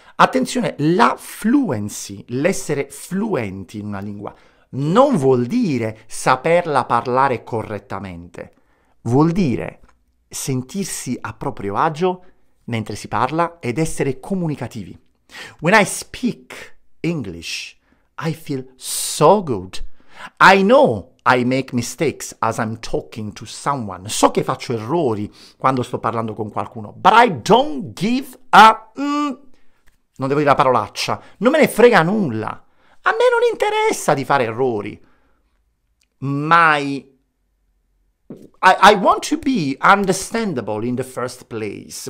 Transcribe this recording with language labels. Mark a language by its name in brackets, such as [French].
[Italian] Attenzione, la fluency, l'essere fluenti in una lingua, non vuol dire saperla parlare correttamente. Vuol dire sentirsi a proprio agio mentre si parla ed essere comunicativi. [English] When I speak English, I feel so good. I know I make mistakes as I'm talking to someone. [Italian] So che faccio errori quando sto parlando con qualcuno, [English] but I don't give a. [Italian] Non devo dire la parolaccia. Non me ne frega nulla. A me non interessa di fare errori. [English] I want to be understandable in the first place.